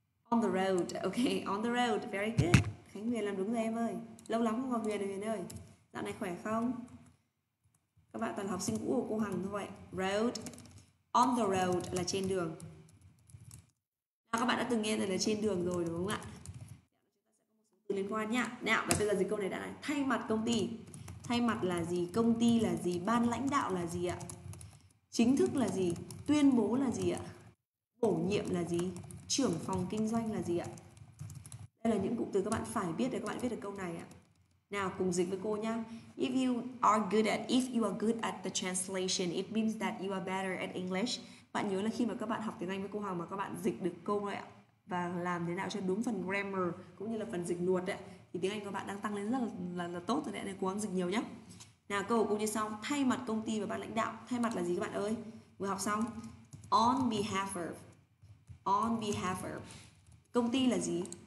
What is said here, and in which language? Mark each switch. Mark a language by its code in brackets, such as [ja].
[en] On the road, okay, on the road, very good. [vi] Khánh Huyền làm đúng rồi em ơi. Lâu lắm không gặp Huyền rồi Huyền ơi. Dạo này khỏe không? Các bạn toàn học sinh cũ của cô Hằng thôi. Road. On the road là trên đường. Nào, các bạn đã từng nghe rồi là trên đường rồi đúng không ạ? Chúng ta sẽ có một số từ liên quan nhá. Nào, và bây giờ dịch câu này đã này. Thay mặt công ty. Thay mặt là gì? Công ty là gì? Ban lãnh đạo là gì ạ? Chính thức là gì? Tuyên bố là gì ạ? Bổ nhiệm là gì? Trưởng phòng kinh doanh là gì ạ? Đây là những cụm từ các bạn phải biết để các bạn biết được câu này ạ. Nào cùng dịch với cô nhá. [en] If you are good at the translation, it means that you are better at English. [vi] Bạn nhớ là khi mà các bạn học tiếng Anh với cô Hoàng mà các bạn dịch được câu này ạ và làm thế nào cho đúng phần grammar cũng như là phần dịch luật ấy, thì tiếng Anh của bạn đang tăng lên rất là tốt rồi đấy, nên cố gắng dịch nhiều nhé. Nào câu của cô như sau: thay mặt công ty và ban lãnh đạo. Thay mặt là gì các bạn ơi? Vừa học xong. On behalf of. Công ty là gì?